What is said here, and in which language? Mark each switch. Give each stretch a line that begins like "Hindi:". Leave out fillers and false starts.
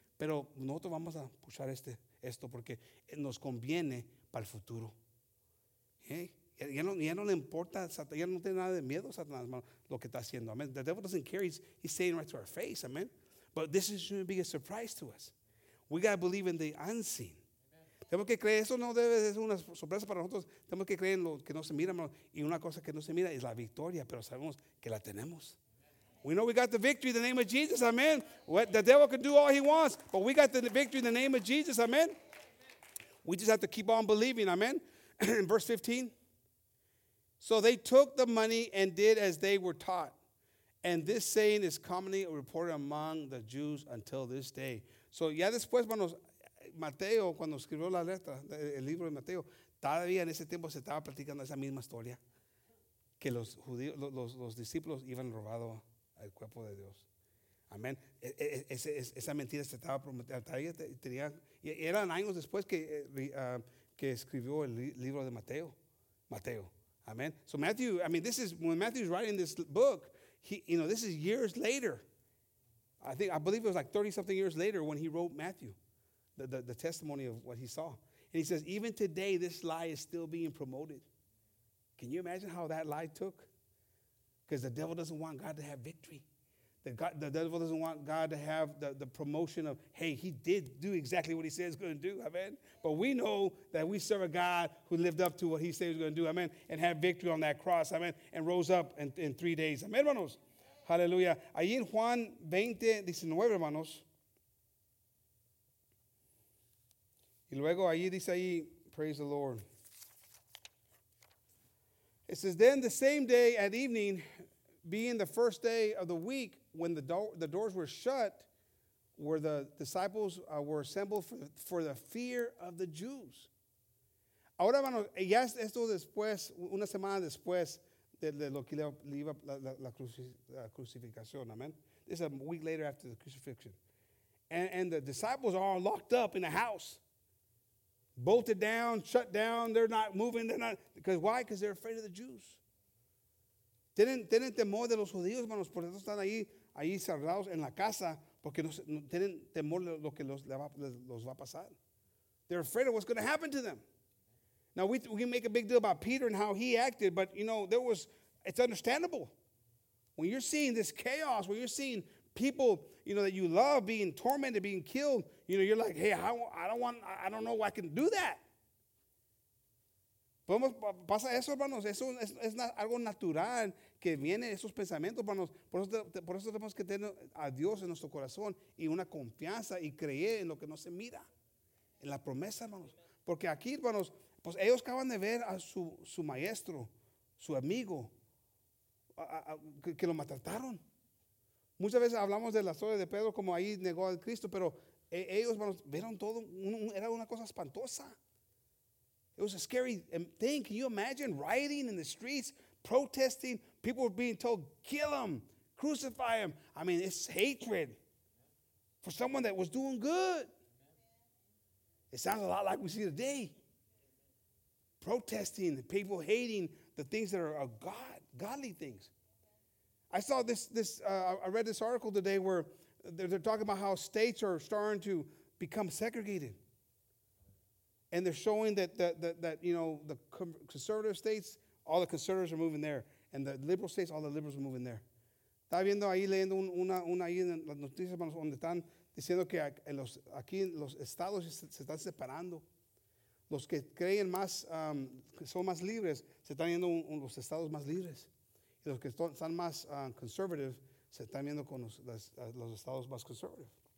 Spanish: Pero nosotros vamos a puchar esto porque nos conviene para el futuro. ¿Eh? Ya no le importa, ya no tiene nada de miedo Satanás, lo que está haciendo.
English: Amen. The devil doesn't care, he's saying right to our face, amen. But this shouldn't be a surprise to us. We got to believe in the unseen.
Spanish: Tenemos que creer, eso no debe ser una sorpresa para nosotros. Tenemos que creer en lo que no se mira, y una cosa que no se mira es la victoria, pero sabemos que la tenemos.
English: We know we got the victory in the name of Jesus, amen. What the devil can do all he wants, but we got the victory in the name of Jesus, amen. We just have to keep on believing, amen. Verse 15. So they took the money and did as they were taught. And this saying is commonly reported among the Jews until this day.
Spanish: So ya después, hermanos, Mateo, cuando escribió la letra, el libro de Mateo, todavía en ese tiempo se estaba platicando esa misma historia, que los judíos, los discípulos iban robado al cuerpo de Dios. Amén. Esa mentira se estaba prometiendo. Eran años después que escribió el libro de Mateo. Mateo. Amen.
English: So Matthew, I mean, this is when Matthew's writing this book, this is years later. I believe it was like 30 something years later when he wrote Matthew, the testimony of what he saw. And he says, even today, this lie is still being promoted. Can you imagine how that lie took? Because the devil doesn't want God to have victory. The devil doesn't want God to have the promotion of, hey, he did do exactly what he said he's going to do, amen? But we know that we serve a God who lived up to what he said he was going to do, amen, and had victory on that cross, amen, and rose up in 3 days.
Spanish: Amen, hermanos? Amen. Hallelujah. Allí en Juan 20, 19, hermanos. Y luego allí dice ahí,
English: praise the Lord. It says, then the same day at evening, being the first day of the week, when the doors were shut, where the disciples were assembled for the fear of the Jews.
Spanish: Ahora, bueno, ya esto después, una semana después de lo que le iba la crucificación, amen.
English: This is a week later after the crucifixion. And the disciples are all locked up in the house, bolted down, shut down. They're not moving. They're not, because why? Because they're afraid of the Jews.
Spanish: Tienen temor de los judíos, hermanos, por eso están ahí cerrados en la casa, porque no tienen temor de lo que los va a pasar.
English: They're afraid of what's going to happen to them. Now, we can make a big deal about Peter and how he acted, but, you know, it's understandable. When you're seeing this chaos, when you're seeing people, you know, that you love being tormented, being killed, you know, you're like, hey, I don't know I can do that.
Spanish: Pasa eso, hermanos, eso es algo natural que viene esos pensamientos, hermanos. Por eso tenemos que tener a Dios en nuestro corazón y una confianza y creer en lo que no se mira, en la promesa, hermanos. Porque aquí, hermanos, pues ellos acaban de ver a su maestro, su amigo, que lo maltrataron. Muchas veces hablamos de la historia de Pedro, como ahí negó al Cristo, pero ellos, hermanos, vieron todo, era una cosa espantosa.
English: It was a scary thing. Can you imagine rioting in the streets, protesting? People were being told, kill him, crucify him. I mean, it's hatred for someone that was doing good. It sounds a lot like we see today. Protesting, people hating the things that are godly things. I saw I read this article today where they're talking about how states are starting to become segregated. And they're showing that the conservative states, all the conservatives are moving there. And the liberal states, all the liberals are moving there.
Spanish: Estaba viendo ahí, leyendo una ahí en las noticias, donde están diciendo que aquí los estados se están separando. Los que creen más, que son más libres, se están yendo a los estados más libres. Y los que están más conservative, se están viendo con los estados más conservative.